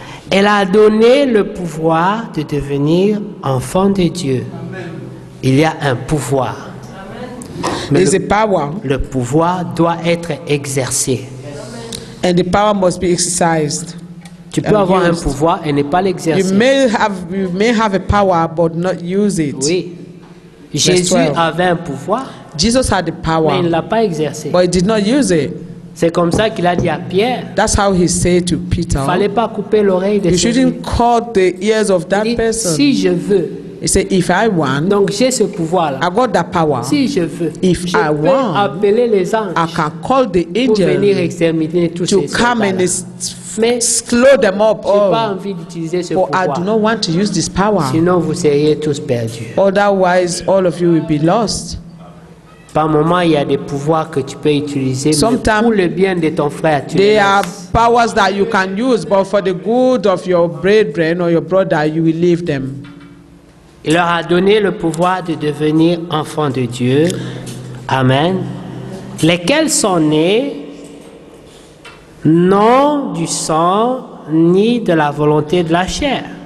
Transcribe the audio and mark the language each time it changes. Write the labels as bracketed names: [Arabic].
[French] Elle a donné le pouvoir de devenir enfant de Dieu. Amen. Il y a un pouvoir. [English] Amen. There's a power. [French] Le pouvoir doit être exercé. Yes. [English] And the power must be exercised. [French] Tu peux avoir un pouvoir et ne pas l'exercer. [English] You may have a power but not use it. [French] Oui. Jésus avait un pouvoir. [English] Jesus had the power. [French] Mais il ne l'a pas exercé. [English] But he did not use it. [French] C'est comme ça qu'il a dit à Pierre. [English] That's how he said to Peter. [French] Fallait pas couper l'oreille de. [English] You shouldn't cut the ears of that person. [French] Si je veux. [English] He said, if I want. [French] Donc j'ai ce pouvoir là. [English] I got that power. [French] Si je veux. [English] If [French] je [English] I want. [French] Appeler les anges. [English] I can call the angels. [French] Pour venir exterminer tous [English] to [French] ces [English] come and slow them up. [French] J'ai pas envie d'utiliser ce pouvoir. [English] I do not want to use this power. [French] Sinon vous seriez tous perdus. [English] Otherwise, all of you will be lost. [French] Par moment, il y a des pouvoirs que tu peux utiliser pour le bien de ton frère. Tu [English] there are powers that you can use, but for the good of your brethren or your brother, you will leave them. [French] Il leur a donné le pouvoir de devenir enfants de Dieu. Amen. Lesquels sont nés non du sang ni de la volonté de la chair.